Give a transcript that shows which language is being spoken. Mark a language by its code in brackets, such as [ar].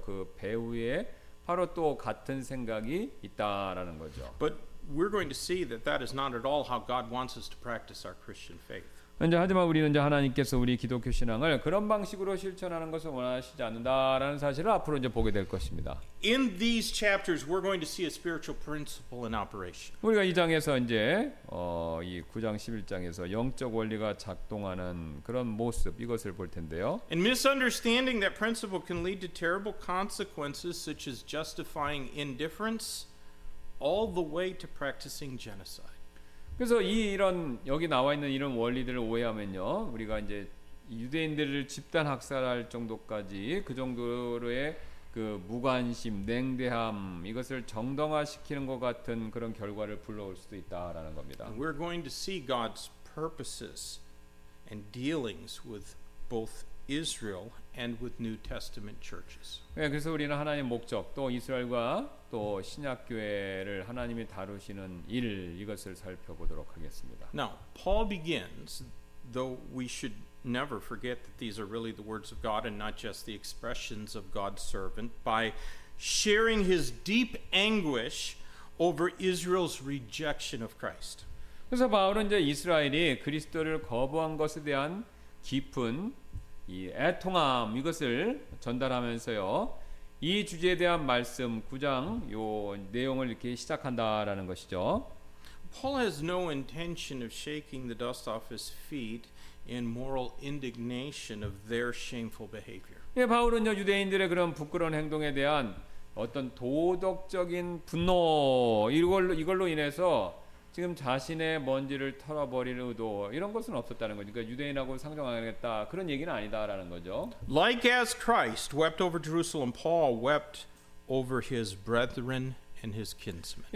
[ko] 그 배후에 바로 또 같은 생각이 있다라는 거죠. [en] But we're going to see that that is not at all how God wants us to practice our Christian faith. [ko] 이제 하지만 우리는 이제 하나님께서 우리 기독교 신앙을 그런 방식으로 실천하는 것을 원하시지 않는다라는 사실을 앞으로 이제 보게 될 것입니다. [en] In these chapters, we're going to see a spiritual principle in operation. [ko] 우리가 이 장에서 이제 이 9장 11장에서 영적 원리가 작동하는 그런 모습 이것을 볼 텐데요. [en] And misunderstanding that principle can lead to terrible consequences such as justifying indifference all the way to practicing genocide. [ko] 그래서 이런 여기 나와 있는 이런 원리들을 오해하면요, 우리가 이제 유대인들을 집단 학살할 정도까지 그 정도로의 그 무관심, 냉대함 이것을 정당화시키는 것 같은 그런 결과를 불러올 수도 있다라는 겁니다. [en] We're going to see God's purposes and dealings with both Israel and with New Testament churches. [ko] 네, 그래서 우리는 하나님의 목적 또 이스라엘과 또 신약교회를 하나님이 다루시는 일 이것을 살펴보도록 하겠습니다. [en] Now, Paul begins, though we should never forget that these are really the words of God and not just the expressions of God's servant, by sharing his deep anguish over Israel's rejection of Christ. [ko] 그래서 바울은 이제 이스라엘이 그리스도를 거부한 것에 대한 깊은 이 애통함 이것을 전달하면서요. 이 주제에 대한 말씀 9장 요 내용을 이렇게 시작한다라는 것이죠. [en] Paul has no intention of shaking the dust off his feet in moral indignation of their shameful behavior. [ko] 예, 바울은요 유대인들의 그런 부끄러운 행동에 대한 어떤 도덕적인 분노 이걸로 인해서 지금 자신의 먼지를 털어버릴 의도 이런 것은 없었다는 거죠. 그러니까 유대인하고 상종하겠다 그런 얘기는 아니다라는 거죠. [en] Like as Christ wept over Jerusalem, Paul wept over his brethren and his kinsmen.